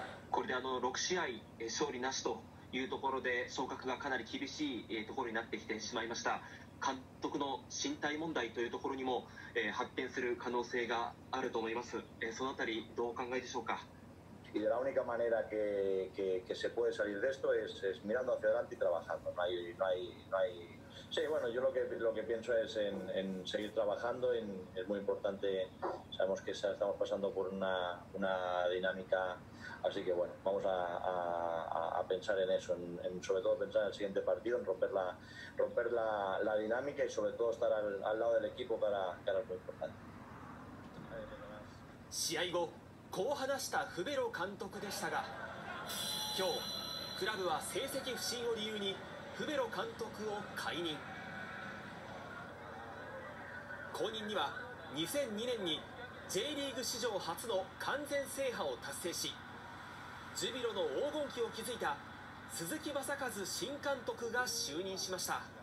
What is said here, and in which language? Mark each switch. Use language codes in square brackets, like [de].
[ja] これで6試合勝利なしというところで、昇格がかなり厳しいところになってきてしまいました。監督の身体問題というところにも発展する可能性があると思います。そのあたりどうお考えでしょうか。 [es] Y de la única manera que se puede salir de esto es mirando hacia adelante y trabajando. No hay... Sí, bueno, yo lo que pienso es en seguir trabajando. Es muy importante. Sabemos que estamos pasando por una dinámica. Así que bueno, vamos a pensar en eso. Sobre todo pensar en el siguiente partido, en romper la dinámica y sobre todo estar al lado del equipo para lo importante. Si hay go. [ja] こう話したフベロ監督でしたが、今日クラブは成績不振を理由にフベロ監督を解任。後任には2002年に J リーグ史上初の完全制覇を達成し、ジュビロの黄金期を築いた鈴木正和新監督が就任しました。